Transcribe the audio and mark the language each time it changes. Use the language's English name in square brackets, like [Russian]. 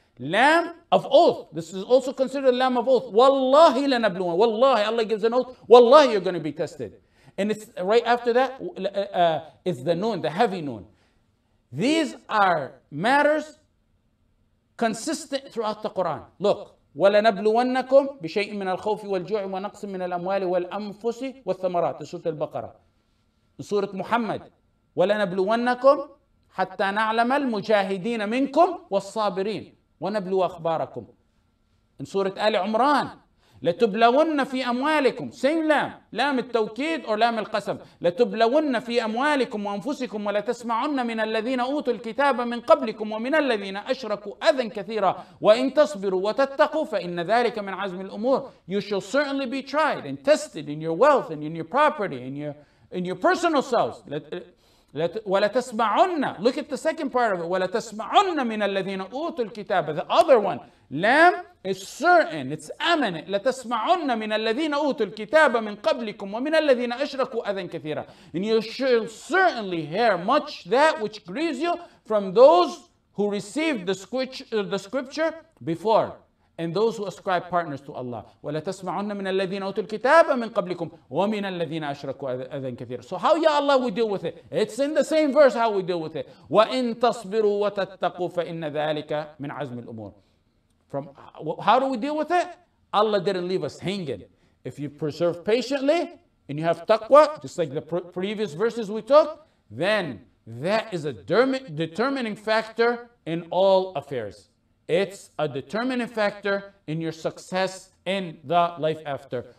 [English] Lamb of oath. This is also considered a lamb of oath. Wallahi lanabluwan. Wallahi, Allah gives an oath. Wallahi, you're going to be tested. And it's right after that is the noon, the heavy noon. These are matters consistent throughout the Quran. Look. [Arabic] وَلَنَبْلُوَنَّكُمْ بِشَيْءٍ مِّنَ الْخَوْفِ وَالْجُوعِ وَنَقْصٍ مِّنَ الْأَمْوَالِ وَالْأَنفُسِ وَالثَّمَرَاتِ سورة البقرة سورة محمد وَلَنَبْلُوَنَّكُمْ حَتَّى نَعْلَمَ الْمُجَاهِدِينَ مِنْكُمْ وَالصَّابِرِينَ وَنَبْلُوَ أَخْبَارَكُمْ سورة آل عمران لَتُبْلَوُنَّ فِي أَمْوَالِكُمْ [English] same [Arabic] لام التوكيد أو لام القسم لَتُبْلَوُنَّ فِي أَمْوَالِكُمْ وَأَنفُسِكُمْ وَلَتَسْمَعُنَّ مِنَ الَّذِينَ أُوتُوا الْكِتَابَ مِنْ قَبْلِكُمْ وَمِنَ الَّذِينَ أَشْرَكُوا أَذًا كَثِيرًا وَإِنْ تَصْبِرُوا وَتَتَّقُوا فَإِنَّ ذَلِكَ مِنْ عَزْمِ الْأُمُورِ [English] You shall certainly be tried and tested in your wealth and in your property and in your personal selves. [Arabic] وَلَتَسْمَعُنَّ [English] Look at the second part of it. [Arabic] وَلَتَسْمَعُنَّ مِنَ الَّذِينَ أُوتُوا الْكِتَابَ [English] The other one. Lam is certain. It's imminent. [Arabic] لَتَسْمَعُنَّ مِنَ الَّذِينَ أُوتُوا الْكِتَابَ مِنْ قَبْلِكُمْ وَمِنَ الَّذِينَ أَشْرَكُوا أَذًا كَثِيرًا [English] And you shall certainly hear much that which grieves you from those who received the scripture before. And those who ascribe partners to Allah. [Arabic] وَلَتَسْمَعُنَّ مِنَ الَّذِينَ أُوتُوا الْكِتَابَ مِنْ قَبْلِكُمْ وَمِنَ الَّذِينَ أَشْرَكُوا أَذًا كَثِيرًا [English] So how, ya Allah, we deal with it? It's in the same verse how we deal with it. [Arabic] وَإِن تَصْبِرُوا وَتَتَّقُوا فَإِنَّ ذَلِكَ مِنْ عَزْمِ الْأُمُورِ [English] From how do we deal with it? Allah didn't leave us hanging. If you preserve patiently and you have taqwa, just like the previous verses we took, then that is a determining factor in all affairs. It's a determining factor in your success in the life after.